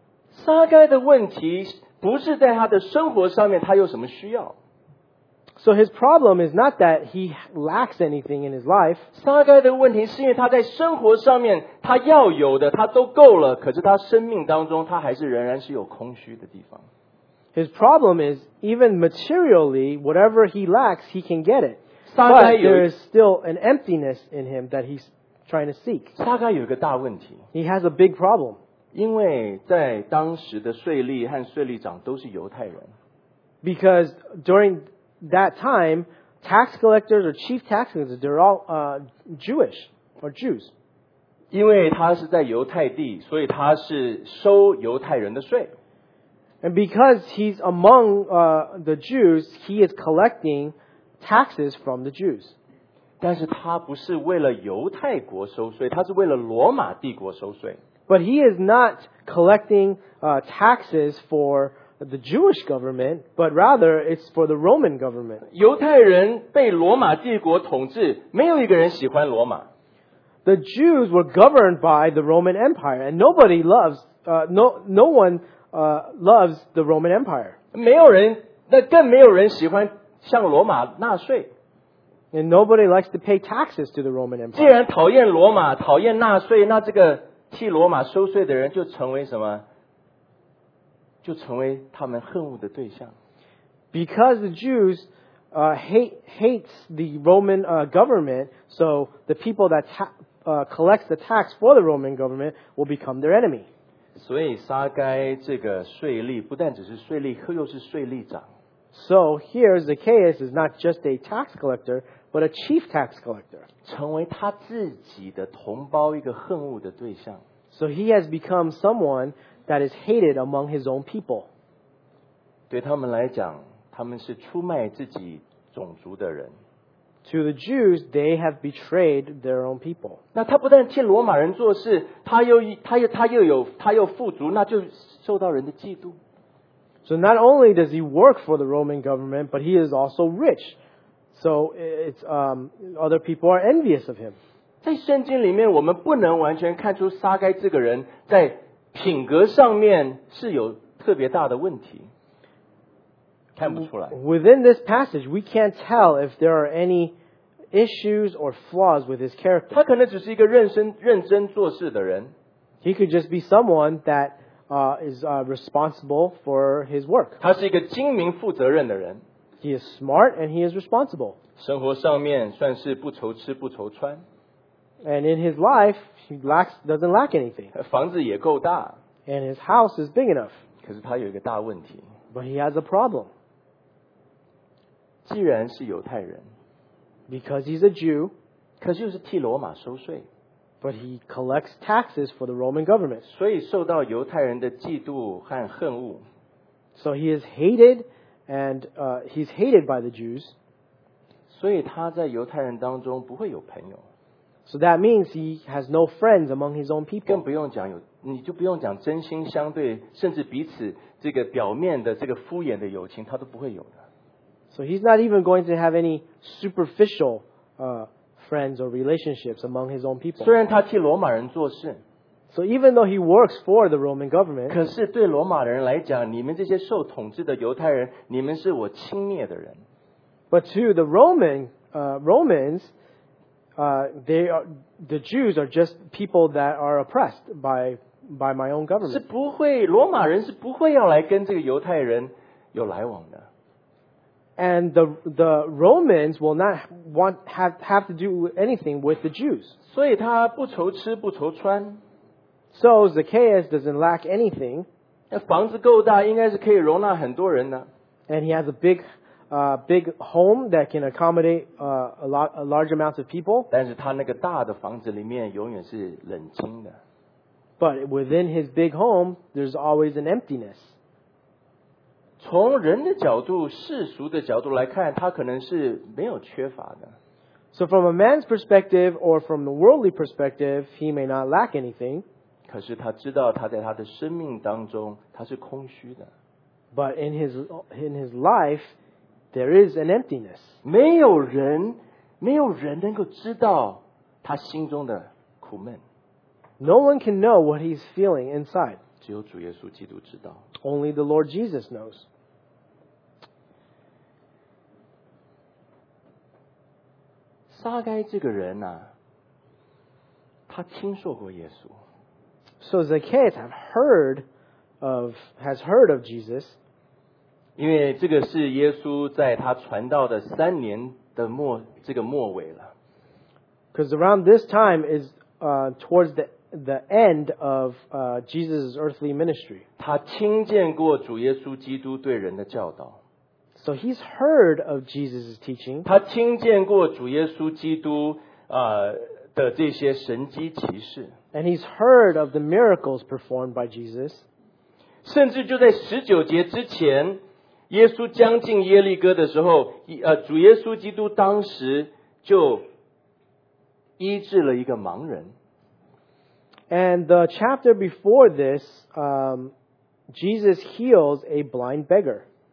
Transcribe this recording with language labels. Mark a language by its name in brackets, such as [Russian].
[Chinese] 撒该的问题不是在他的生活上面他有什么需要。 [English] So his problem is not that he lacks anything in his life. [Chinese] 撒该的问题是因为他在生活上面他要有的他都够了，可是他生命当中他还是仍然是有空虚的地方。 [English] His problem is, even materially, whatever he lacks, he can get it. But there is still an emptiness in him that he's trying to seek. [Chinese] 撒该有一个大问题。 [English] He has a big problem. [Chinese] 因为在当时的税吏和税吏长都是犹太人。 [English] Because during that time, tax collectors or chief tax collectors, they're all Jewish or Jews. [Chinese] 因为他是在犹太地，所以他是收犹太人的税。 [English] And because he's among the Jews, he is collecting taxes from the Jews. [Chinese] 但是他不是为了犹太国收税，他是为了罗马帝国收税。 [English] But he is not collecting taxes for the Jewish government, but rather it's for the Roman government. [Chinese] 犹太人被罗马帝国统治，没有一个人喜欢罗马。 [English] The Jews were governed by the Roman Empire, and nobody loves, loves the Roman Empire. [Chinese] 没有人，那更没有人喜欢向罗马纳税。 [English] And nobody likes to pay taxes to the Roman Empire. [Chinese] 既然讨厌罗马，讨厌纳税，那这个替罗马收税的人就成为什么？就成为他们恨恶的对象。 [English] Because the Jews hates the Roman government, so the people that collects the tax for the Roman government will become their enemy. [Chinese] 所以撒该这个税吏不但只是税吏，又是税吏长。 [English] So here Zacchaeus is not just a tax collector, but a chief tax collector. [Chinese] 成为他自己的同胞一个恨恶的对象。 [English] So he has become someone that is hated among his own people. [Chinese] 对他们来讲，他们是出卖自己种族的人。 [English] To the Jews, they have betrayed their own people. [Chinese] 那他不但替罗马人做事，他又富足，那就受到人的嫉妒。 [English] So not only does he work for the Roman government, but he is also rich. So it's other people are envious of him. [Chinese] 在圣经里面，我们不能完全看出撒该这个人在品格上面是有特别大的问题。看不出来。 [English] Within this passage, we can't tell if there are any issues or flaws with his character. [Chinese] 他可能只是一个认真做事的人。 [English] He could just be someone that is responsible for his work. [Chinese] 他是一个精明负责任的人。 [English] He is smart and he is responsible. [Chinese] 生活上面算是不愁吃不愁穿。 [English] And in his life, he doesn't lack anything. [Chinese] 房子也够大。 [English] And his house is big enough. [Chinese] 可是他有一个大问题。 [English] But he has a problem. [Chinese] 既然是犹太人。 [English] Because he's a Jew. [Chinese] 可是又是替罗马收税。 [English] But he collects taxes for the Roman government. [Chinese] 所以受到犹太人的嫉妒和恨恶。 [English] So he is hated and he's hated by the Jews. [Chinese] 所以他在犹太人当中不会有朋友。 [English] So that means he has no friends among his own people. [Chinese] 更不用讲有，你就不用讲真心相对，甚至彼此这个表面的这个敷衍的友情，他都不会有的。 [English] So he's not even going to have any superficial friends or relationships among his own people. [Chinese] 虽然他替罗马人做事， [English] so even though he works for the Roman government, [Chinese] 可是对罗马的人来讲，你们这些受统治的犹太人，你们是我轻蔑的人。 [English] But to the Romans, the Jews are just people that are oppressed by my own government. [Chinese] 是不会，罗马人是不会要来跟这个犹太人有来往的。 [English] And the Romans will not have to do anything with the Jews. [Chinese] 所以他不愁吃不愁穿。 [English] So Zacchaeus doesn't lack anything. [Chinese] 房子够大，应该是可以容纳很多人的。 [English] And he has a big home that can accommodate a large amount of people. [Chinese] 但是他那个大的房子里面永远是冷清的。 [English] But within his big home, there's always an emptiness. [Chinese] 从人的角度，世俗的角度来看，他可能是没有缺乏的。 [English] So from a man's perspective or from the worldly perspective, he may not lack anything. [Chinese] 可是他知道他在他的生命当中，他是空虚的。 [English] But in his life, there is an emptiness. [Chinese] 没有人能够知道他心中的苦闷。 [English] No one can know what he's feeling inside. [Chinese] 只有主耶稣基督知道。 [English] Only the Lord Jesus knows. [Chinese] 撒该这个人啊，他听说过耶稣。 [English] So Zacchaeus has heard of Jesus. [Chinese] 因为这个是耶稣在他传道的三年的末尾了。 [English] Because around this time is towards the end of Jesus' earthly ministry. [Chinese] 他听见过主耶稣基督对人的教导。 [English] So he's heard of Jesus' teaching. [Chinese] 他听见过主耶稣基督的这些神迹奇事。 [English] And he's heard of the miracles performed by Jesus. [Chinese] 甚至就在十九节之前，耶稣将近耶利哥的时候，主耶稣基督当时就医治了一个盲人。 [English] And the chapter before this, Jesus heals a blind beggar.